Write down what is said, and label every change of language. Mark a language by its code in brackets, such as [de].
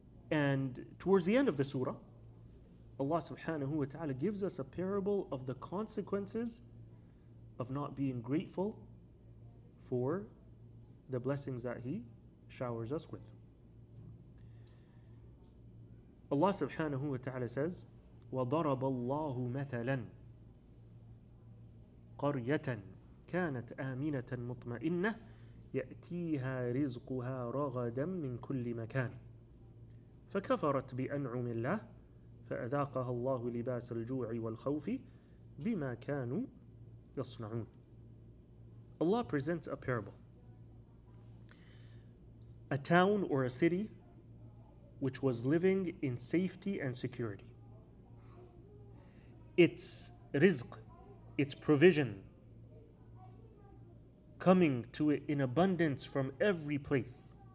[en] And towards the end of the surah, Allah subhanahu wa ta'ala gives us a parable of the consequences of not being grateful for the blessings that He showers us with. Allah subhanahu wa ta'ala says, [ar] وَضَرَبَ اللَّهُ مَثَلًا قَرْيَةً كَانَتْ آمِنَةً مُطْمَئِنَّةً يَأْتِيهَا رِزْقُهَا رَغَدًا مِنْ كُلِّ مَكَانٍ فَكَفَرَتْ بِأَنْعُمِ اللَّهِ فَأَذَاقَهَا اللَّهُ لِبَاسَ الْجُوعِ وَالْخَوْفِ بِمَا كَانُوا يَصْنَعُونَ. [en] Allah presents a parable. A town or a city which was living in safety and security. Its rizq, its provision, coming to it in abundance from every place.